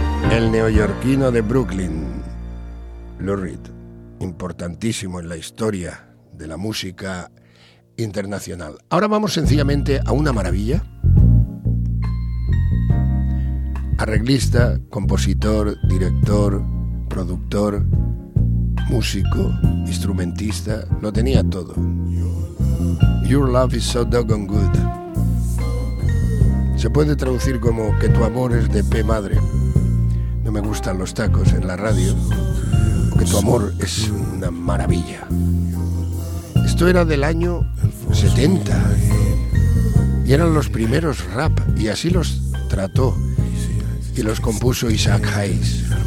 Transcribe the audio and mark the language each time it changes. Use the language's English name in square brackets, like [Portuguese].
[Spanish] El neoyorquino de Brooklyn, Lou Reed, importantísimo en la historia de la música internacional. Ahora vamos sencillamente a una maravilla. Arreglista, compositor, director, productor, músico, instrumentista, lo tenía todo. [English] Your love is so doggone good. [Spanish] Se puede traducir como que tu amor es de P madre. No me gustan los tacos en la radio, o que tu amor es una maravilla. Esto era del año 70 y eran los primeros rap, y así los trató y los compuso Isaac Hayes.